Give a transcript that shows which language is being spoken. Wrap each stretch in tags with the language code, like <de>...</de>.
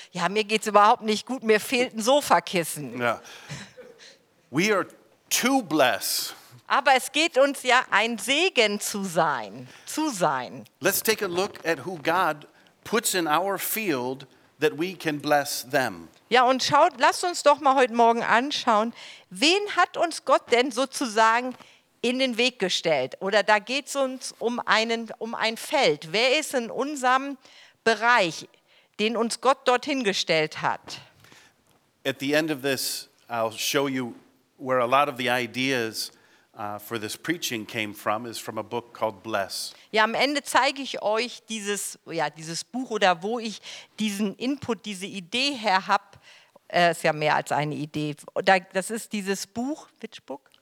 <de>Ja, mir geht's überhaupt nicht gut, mir fehlt ein Sofakissen.</de> <en>Ja. We are too blessed.</en> <de>Aber es geht uns ja, ein Segen zu sein, zu sein.</de> <en>Let's take a look at who God puts in our field that we can bless them.</en> <de>Ja, und schaut, lasst uns doch mal heute Morgen anschauen, wen hat uns Gott denn sozusagen in den Weg gestellt? Oder da geht es uns um ein Feld. Wer ist in unserem Bereich, den uns Gott dorthin gestellt hat?</de> <en>At the end of this, I'll show you where a lot of the ideas for this preaching came from, is from a book called Bless.</en> <de>Ja, am Ende zeige ich euch dieses, ja, dieses Buch oder wo ich diesen Input, diese Idee her habe. Ist ja mehr als eine Idee. Das ist dieses Buch,</de> <en>which book?</en>